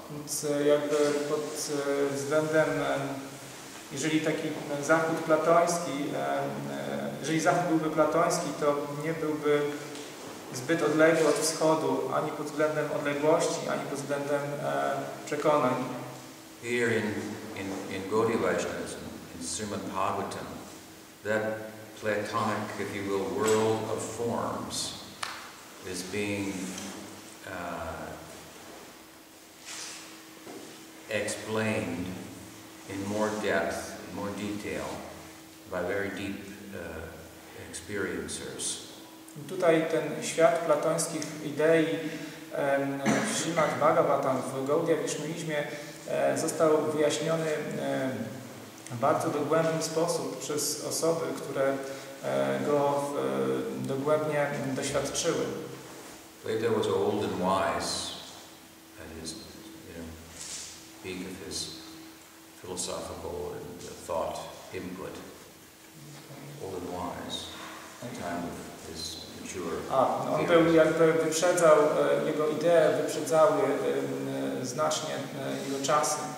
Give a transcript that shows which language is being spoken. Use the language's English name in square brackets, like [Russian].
[Polish] Więc jakby pod względem Jeżeli taki zachód platoński, jeżeli zachód byłby platoński, to nie byłby zbyt odległy od wschodu, ani pod względem odległości, ani pod względem przekonań. [English] Here in Gaudiya Vaishnavism, in Srimad Bhagavatam, that platonic, if you will, world of forms is being explained in more depth, more detail, by very deep experiencers. [Polish] Tutaj ten świat platońskich idei w Srimad Bhagavatam, w Gaudiya Vaishnavizmie został wyjaśniony w bardzo dogłębny sposób przez osoby, które go dogłębnie doświadczyły. [English] Plato was old and wise at his, you know, peak of his philosophical and thought input. Old and wise at the time of his mature. [Polish] On był jakby wyprzedzał jego idee, wyprzedzały znacznie jego czasy.